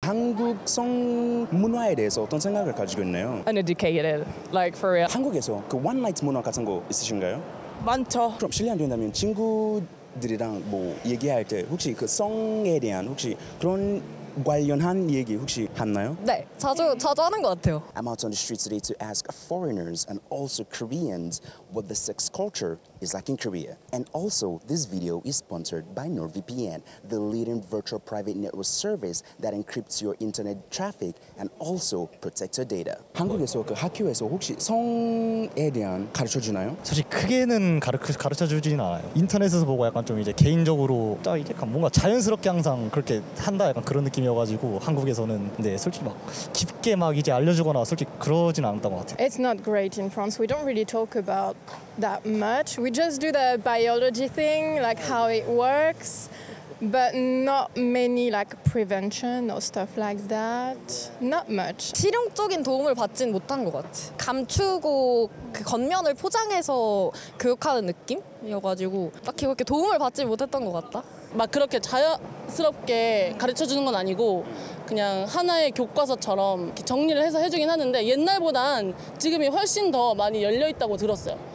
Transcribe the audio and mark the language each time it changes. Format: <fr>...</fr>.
<ko>한국성 문화에 대해서 어떤 생각을 가지고 있나요?</ko> <en>Uneducated, like for real.</en> <ko>한국에서 그</ko> <en>one night</en> <ko>문화 같은 거 있으신가요? 많죠. 그럼 실례 안 된다면 친구들이랑 뭐 얘기할 때 혹시 그 성에 대한 혹시 그런 관련한 얘기 혹시 하나요? 네, 자주 하는 것 같아요.</ko> <en>I'm out on the street today to ask foreigners and also Koreans what the sex culture is like in Korea. And also, this video is sponsored by NordVPN, the leading virtual private network service that encrypts your internet traffic and also protects your data.</en> <ko>한국에서 그 학교에서 혹시 성에 대한 가르쳐 주나요? 사실 크게는 가르쳐 주진 않아요. 인터넷에서 보고 약간 좀 이제 개인적으로 딱 이제 뭔가 자연스럽게 항상 그렇게 한다 약간 그런 느낌. 이어가지고 한국에서는 근데 솔직히 막 깊게 막 이제 알려주거나 솔직히 그러진 않았던 것 같아요.</ko> <en>It's not great in France. We don't really talk about that much. We just do the biology thing, like how it works, but not many like prevention or stuff like that. Not much.</en> <ko>실용적인 도움을 받진 못한 것 같아. 감추고 그 겉면을 포장해서 교육하는 느낌이어가지고 딱히 그렇게 도움을 받지 못했던 것 같다. 막 그렇게 자연스럽게 가르쳐 주는 건 아니고 그냥 하나의 교과서처럼 이렇게 정리를 해서 해주긴 하는데 옛날보단 지금이 훨씬 더 많이 열려 있다고 들었어요.</ko>